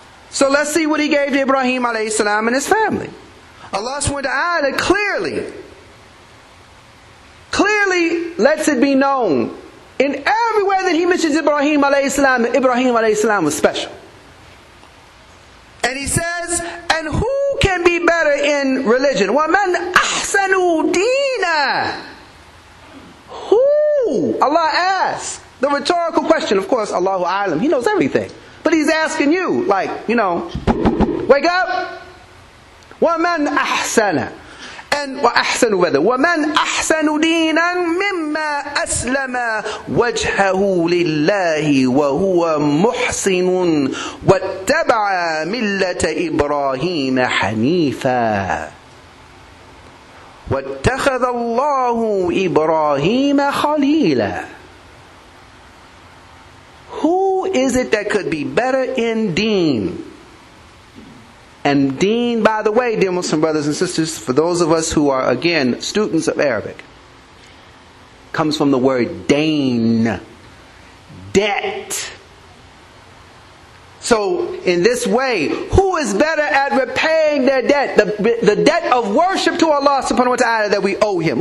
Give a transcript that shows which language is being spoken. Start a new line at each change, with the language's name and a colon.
English: So let's see what he gave to Ibrahim alayhi salam and his family. Allah subhanahu wa ta'ala clearly lets it be known in everywhere that he mentions Ibrahim alayhi salam, that Ibrahim alayhi salam was special. And he says, and who can be better in religion?
Arabic: وَمَنْ أَحْسَنُ دِينًا
English: Who? Allah asks the rhetorical question. Of course, Allahu A'lam, he knows everything. But he's asking you, like, you know, wake up.
Arabic: وَمَنْ أَحْسَنَ
English: And
Arabic: وَأَحْسَنُ وَذَا وَمَنْ أَحْسَنُ دِينًا مِمَّا أَسْلَمَ وَجْهَهُ لِلَّهِ وَهُوَ مُحْسِنٌ وَاتَّبَعَ مِلَّةَ إِبْرَاهِيمَ حَنِيفًا وَاتَّخَذَ اللَّهُ إِبْرَاهِيمَ خَلِيلًا
English: Who is it that could be better in deen? And deen, by the way, dear Muslim brothers and sisters, for those of us who are, again, students of Arabic, comes from the word dain, debt. So, in this way, who is better at repaying their debt, the debt of worship to Allah subhanahu wa ta'ala that we owe him?